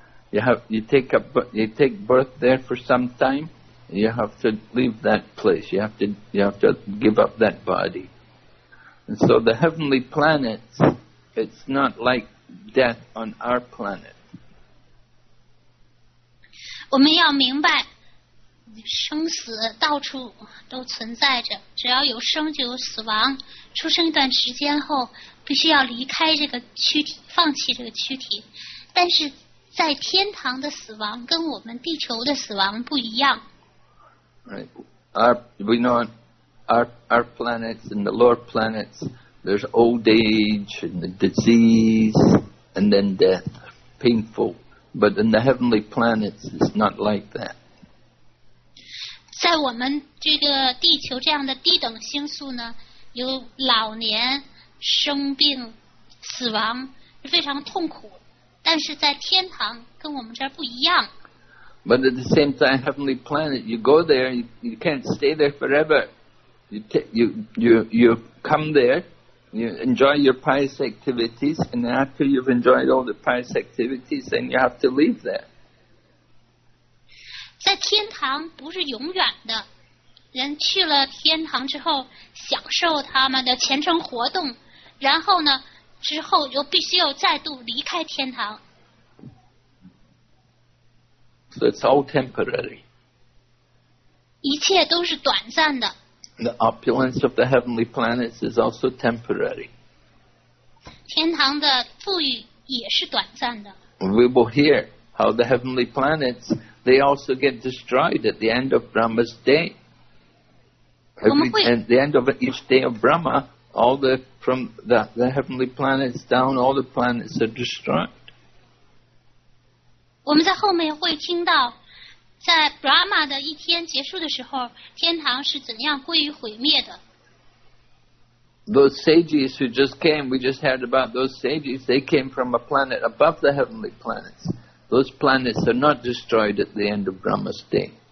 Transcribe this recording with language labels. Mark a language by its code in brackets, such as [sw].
[en] You take birth there for some time, you have to leave that place. You have to give up that body. And so the heavenly planets, it's not like death on our planet. [zh] 我们要明白，生死到处都存在着，只要有生就有死亡，出生一段时间后必须要离开这个躯体，放弃这个躯体。但是在天堂的死亡跟我们地球的死亡不一样。 [en] Right. We know our planets and the lower planets, there's old age and the disease and then death, painful. But in the heavenly planets, it's not like that. [zh] 在我们这个地球这样的低等星宿呢，有老年、生病、死亡，非常痛苦。但是在天堂跟我们这儿不一样。 [en] But at the same time, heavenly planet, you go there, you can't stay there forever. You come there, you enjoy your pious activities, and after you've enjoyed all the pious activities, then you have to leave there. [zh] 在天堂不是永远的，人去了天堂之后，享受他们的前程活动，然后呢，之后又必须要再度离开天堂。 [en] So it's all temporary. [zh] 一切都是短暂的。 [en] The opulence of the heavenly planets is also temporary. [zh] 天堂的富裕也是短暂的。 [en] We will hear how the heavenly planets. They also get destroyed at the end of Brahma's day. At the end of each day of Brahma, all the, from the heavenly planets down, all the planets are destroyed. [zh] 我们在后面会听到，在 Brahma 的一天结束的时候，天堂是怎样归于毁灭的。 [en] Those sages who just came, we just heard about those sages, they came from a planet above the heavenly planets. Those planets are not destroyed at the end of Brahma's day.